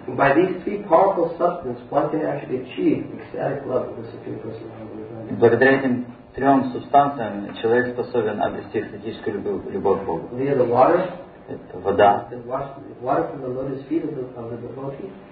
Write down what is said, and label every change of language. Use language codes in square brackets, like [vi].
[en] By these three powerful substances, one can actually achieve ecstatic love with the Supreme Person. [ru] Благодаря этим трем субстанциям человек способен обрести эстетическую любовь к Богу. [en] Via the water, [ru] это вода. [en] Water from the lotus feet of the devotee.